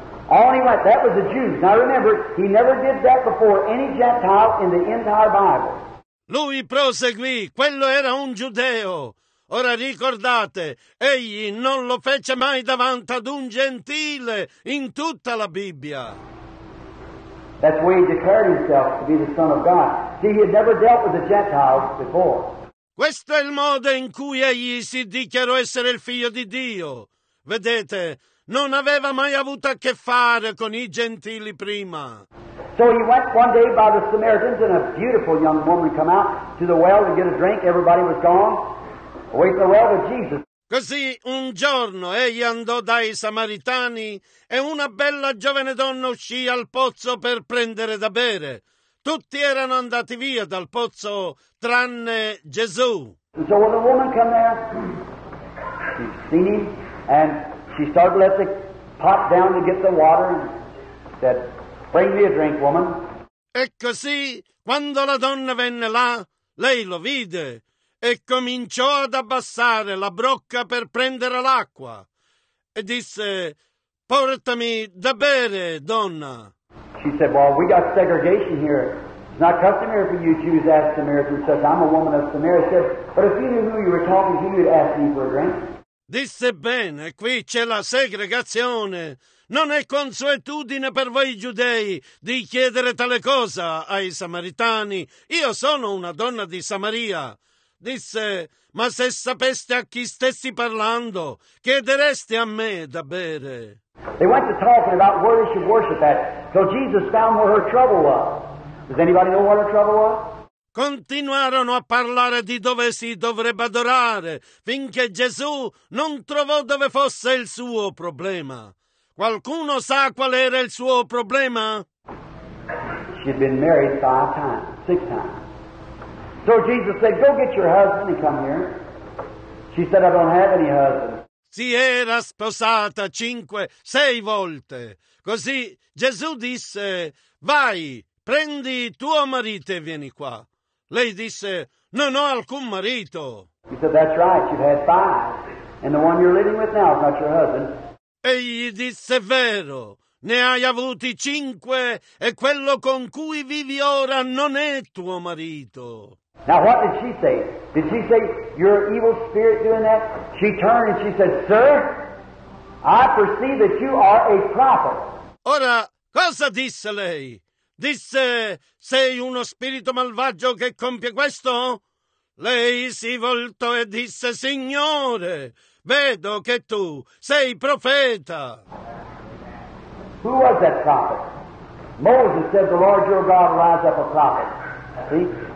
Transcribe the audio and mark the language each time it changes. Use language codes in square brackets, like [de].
[en] All he went, that was a Jew. Now remember, he never did that before any Gentile in the entire Bible. [it] Lui proseguì, quello era un giudeo. Ora ricordate, egli non lo fece mai davanti ad un gentile in tutta la Bibbia. [en] That's why he declared himself to be the Son of God. See, he had never dealt with the Gentiles before. [it] Questo è il modo in cui egli si dichiarò essere il figlio di Dio. Vedete, non aveva mai avuto a che fare con i gentili prima. [en] So he went one day by the Samaritans, and a beautiful young woman came out to the well to get a drink. Everybody was gone. Away from the well with Jesus. [it] Così un giorno egli andò dai Samaritani, e una bella giovane donna uscì al pozzo per prendere da bere. Tutti erano andati via dal pozzo, tranne Gesù. [en] And so when the woman came there, she seen him, and she started to let the pot down to get the water, and said, bring me a drink, woman. [it] E così, quando la donna venne là, lei lo vide e cominciò ad abbassare la brocca per prendere l'acqua e disse, portami da bere, donna. [en] She said, well, we got segregation here. It's not customary for you Jews to ask Samaritans. Says, I'm a woman of Samaria. She said, but if you knew who you were talking to, you'd ask me for a drink. [it] Disse, bene, qui c'è la segregazione. Non è consuetudine per voi giudei di chiedere tale cosa ai samaritani. Io sono una donna di Samaria. Disse, ma se sapeste a chi stessi parlando, chiedereste a me da bere. [en] They went to talking about where they should worship at. So Jesus found where her trouble was. Does anybody know what her trouble was? [it] Continuarono a parlare di dove si dovrebbe adorare finché Gesù non trovò dove fosse il suo problema. Qualcuno sa qual era il suo problema? [en] She'd been married five times, six times. So Jesus said, go get your husband and come here. She said, I don't have any husband. [it] Si era sposata cinque, sei volte. Così Gesù disse, vai, prendi tuo marito e vieni qua. Lei disse, non ho alcun marito. [en] He said, that's right, you've had five. And the one you're living with now is not your husband. [it] Egli disse, vero, ne hai avuti cinque e quello con cui vivi ora non è tuo marito. [en] Now what did she say? Did she say, you're an evil spirit doing that? She turned and she said, sir, I perceive that you are a prophet. [it] Ora, cosa disse lei? Disse, sei uno spirito malvagio che compie questo? Lei si voltò e disse, Signore, vedo che tu sei profeta. [en] Who was that prophet? Moses said, the Lord your God rise up a prophet. See?